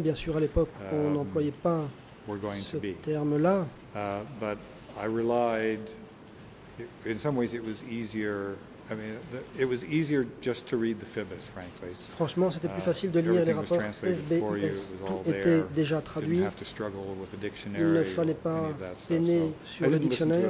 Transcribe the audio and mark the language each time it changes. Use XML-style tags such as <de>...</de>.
<fr>révolution, bien sûr à l'époque on n'employait pas ce terme-là,</fr> <en>but I relied, in some ways it was easier, I mean, it was easier just to read the FIBIS, frankly.</en> <fr>Franchement, c'était plus facile de lire les rapports FBIS. Tout était déjà traduit.</fr> <en>Didn't have to struggle with a dictionary.</en> <fr>Il ne fallait pas peiner sur le dictionnaire.</fr>